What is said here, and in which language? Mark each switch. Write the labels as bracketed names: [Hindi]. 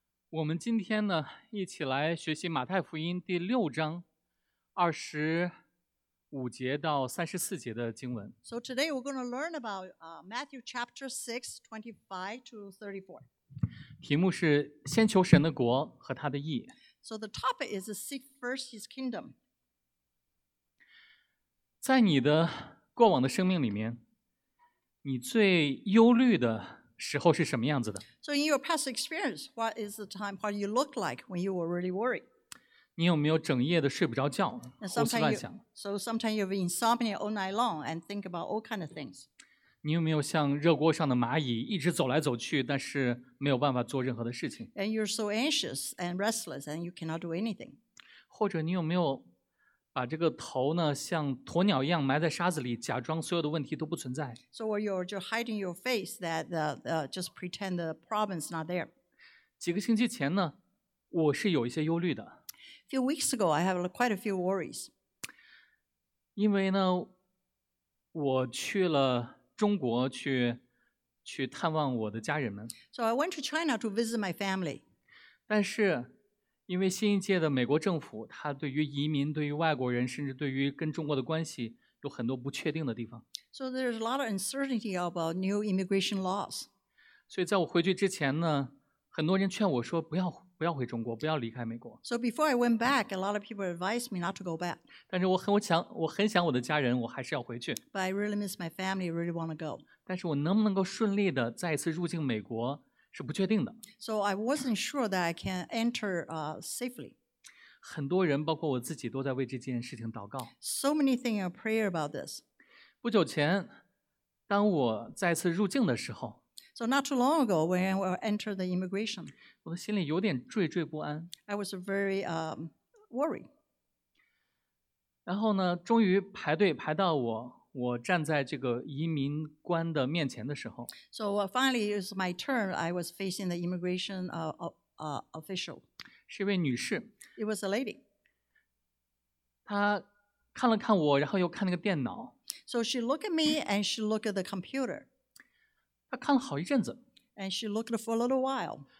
[Chinese] 我们今天呢，一起来学习马太福音第六章25节到34节的经文。 [English] So today we're going to learn about Matthew chapter 6:25-34. [Chinese] 题目是先求神的国和他的义。 [English] So the topic is seek first His kingdom. [Chinese] 在你的过往的生命里面，你最忧虑的时候是什么样子的？ [English] So in your past experience, what is the time, what do you look like when you were really worried? [Chinese] 你有没有整夜的睡不着觉，胡思乱想？ [English] So sometimes you have insomnia all night long and think about all kinds of things. [Chinese] 你有没有像热锅上的蚂蚁，一直走来走去，但是没有办法做任何的事情？ [English] And you're so anxious and restless and you cannot do anything. [Chinese] 或者你有没有把这个头呢，像鸵鸟一样埋在沙子里，假装所有的问题都不存在。 [English] So you're just hiding your face, that just pretend the problem's not there. [Chinese] 几个星期前呢，我是有一些忧虑的。 [English] A few weeks ago, I have quite a few worries. [Chinese] 因为呢，我去了中国去探望我的家人们。 [English] So I went to China to visit my family. [Chinese] 但是因为新一届的美国政府，它对于移民、对于外国人，甚至对于跟中国的关系，有很多不确定的地方。 [English] So there's a lot of uncertainty about new immigration laws. [Chinese] 所以在我回去之前呢，很多人劝我说不要回中国，不要离开美国。 [English] So before I went back, a lot of people advised me not to go back. [Chinese] 但是我很想我的家人，我还是要回去。 [English] But I really miss my family, really want to go. [Chinese] 但是我能不能够顺利的再一次入境美国？是不确定的。 [English] So I wasn't sure that I can enter safely. [Chinese] 很多人包括我自己都在为这件事情祷告。 [English] So many things are prayer about this. [Chinese] 不久前当我再次入境的时候。 [English] So not too long ago when I entered the immigration. [Chinese] 我的心里有点惴惴不安。 [English] I was very worried. [Chinese] 然后呢终于排队排到我站在这个移民官的面前的时候 [English] ，So finally it was my turn. I was facing the immigration official. [Chinese] 是一位女士 [English] ，It was a lady. [Chinese] 她看了看我，然后又看那个电脑 [English] ，So she looked at me and she looked at the computer. [Chinese] 她看了好一阵子 [English] ，And she looked for a little while.